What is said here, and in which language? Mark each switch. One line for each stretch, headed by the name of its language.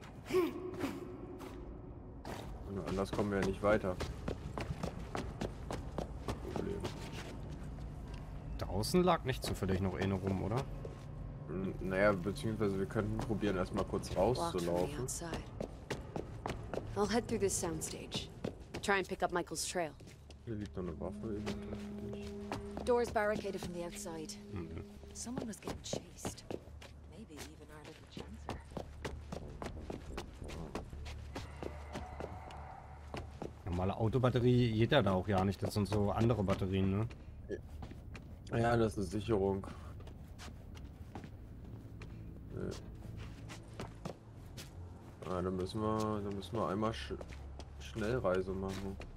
German: Und anders kommen wir ja nicht weiter. Problem. Draußen lag nicht zufällig noch eine rum, oder? Naja, beziehungsweise wir könnten probieren, erstmal kurz rauszulaufen.
English: I'll head through this soundstage. Try and pick up Michael's trail.
German: Hier liegt noch eine Waffe eventuell für dich.
English: Doors barricaded from the outside. Someone was getting chased. Maybe even our little chancer.
German: Normale Autobatterie geht ja da auch ja nicht. Das sind so andere Batterien, ne? Ja, das ist eine Sicherung. Ja, dann müssen wir einmal Schnellreise machen.